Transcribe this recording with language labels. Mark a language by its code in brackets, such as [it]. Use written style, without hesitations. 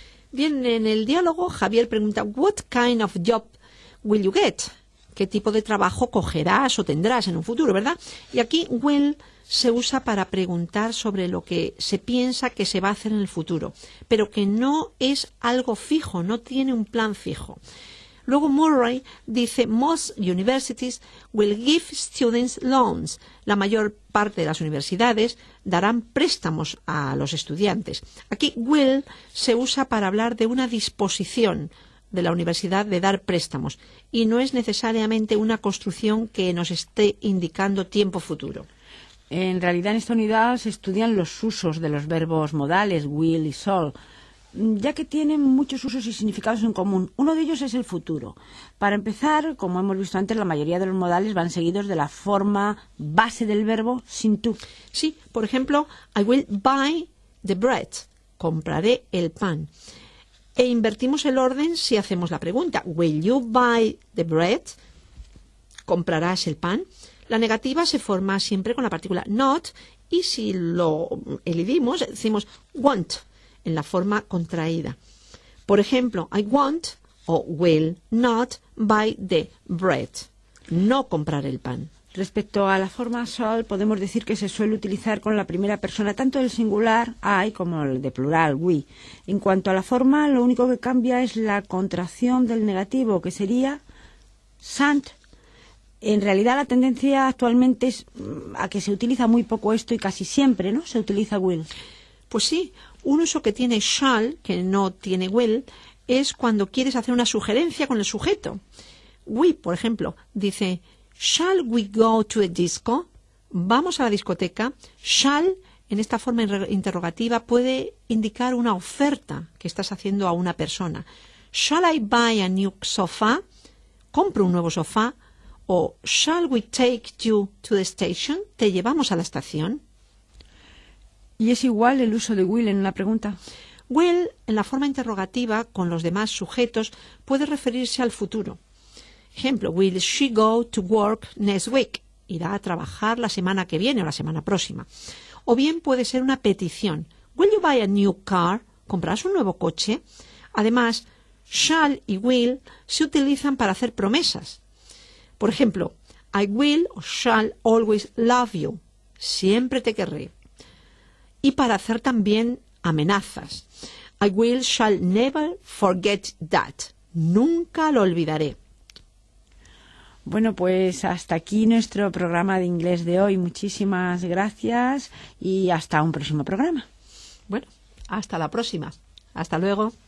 [es] Bien, en el diálogo Javier pregunta [en] What kind of job will you get? [es] ¿Qué tipo de trabajo cogerás o tendrás en un futuro, verdad? Y aquí will se usa para preguntar sobre lo que se piensa que se va a hacer en el futuro, pero que no es algo fijo, no tiene un plan fijo. [en] Luego Murray dice, most universities will give students loans. [es] La mayor parte de las universidades darán préstamos a los estudiantes. Aquí will se usa para hablar de una disposición de la universidad de dar préstamos y no es necesariamente una construcción que nos esté indicando tiempo futuro. En realidad, en esta unidad se estudian los usos de los verbos modales, will y shall, ya que tienen muchos usos y significados en común. Uno de ellos es el futuro. Para empezar, como hemos visto antes, la mayoría de los modales van seguidos de la forma base del verbo sin to. Sí, por ejemplo, [en] I will buy the bread. [es] Compraré el pan. E invertimos el orden si hacemos la pregunta. [en] Will you buy the bread? [es] ¿Comprarás el pan? La negativa se forma siempre con la partícula not y si lo elidimos, decimos won't en la forma contraída. Por ejemplo, [en] I won't o will not buy the bread. [es] No compraré el pan. Respecto a la forma shall, podemos decir que se suele utilizar con la primera persona, tanto del singular, I, como el de plural, we. En cuanto a la forma, lo único que cambia es la contracción del negativo, que sería shan't. En realidad la tendencia actualmente es a que se utiliza muy poco esto y casi siempre, ¿no? Se utiliza will. Pues sí, un uso que tiene shall, que no tiene will, es cuando quieres hacer una sugerencia con el sujeto. [en] We, por ejemplo, dice, shall we go to a disco? [es] Vamos a la discoteca. Shall, en esta forma interrogativa, puede indicar una oferta que estás haciendo a una persona. [en] Shall I buy a new sofa? [es] Compro un nuevo sofá. [en] O, shall we take you to the station? [es] ¿Te llevamos a la estación? ¿Y es igual el uso de will en una pregunta? Will, en la forma interrogativa, con los demás sujetos, puede referirse al futuro. [en] Ejemplo, will she go to work next week? [es] ¿Irá a trabajar la semana que viene o la semana próxima? O bien puede ser una petición. [en] Will you buy a new car? [es] ¿Comprarás un nuevo coche? Además, shall y will se utilizan para hacer promesas. Por ejemplo, [en] I will or shall always love you. [es] Siempre te querré. Y para hacer también amenazas. [en] I will shall never forget that. [es] Nunca lo olvidaré. Bueno, pues hasta aquí nuestro programa de inglés de hoy. Muchísimas gracias y hasta un próximo programa. Bueno, hasta la próxima. Hasta luego.